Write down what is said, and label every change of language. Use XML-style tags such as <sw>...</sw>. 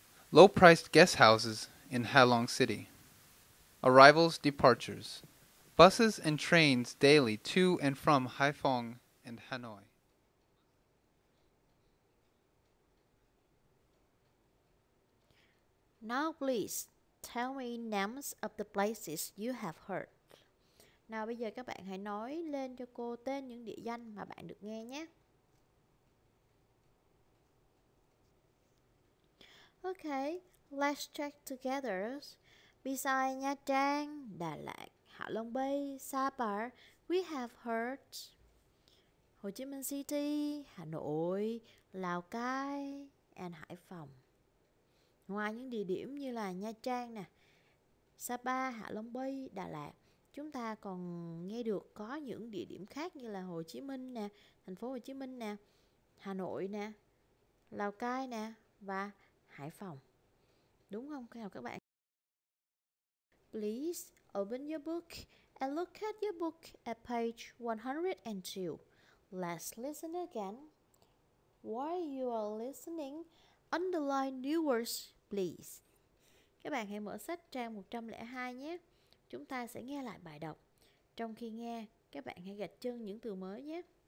<en>Low-priced guest houses in Halong City. Arrivals, departures: buses and trains daily to and from Haiphong and Hanoi. Now please tell me names of the places you have heard.</en> <vi>Nào bây giờ các bạn hãy nói lên cho cô tên những địa danh mà bạn được nghe nhé.</vi> <en>Okay, let's check together. Besides Nha Trang, Đà Lạt, Hạ Long Bay, Sapa, we have heard Ho Chi Minh City, Hà Nội, Lào Cai and Hải Phòng.</en> <vi>Ngoài những địa điểm như là Nha Trang nè, Sapa, Hạ Long Bay, Đà Lạt, chúng ta còn nghe được có những địa điểm khác như là Hồ Chí Minh nè, thành phố Hồ Chí Minh nè, Hà Nội nè, Lào Cai nè và Hải Phòng. Đúng không các bạn?</vi> <en>Please open your book and look at your book at page 102. Let's listen again. While you are listening, underline new words, please.</en> <vi>Các bạn hãy mở sách trang 102 nhé. Chúng ta sẽ nghe lại bài đọc. Trong khi nghe, các bạn hãy gạch chân những từ mới nhé.</vi>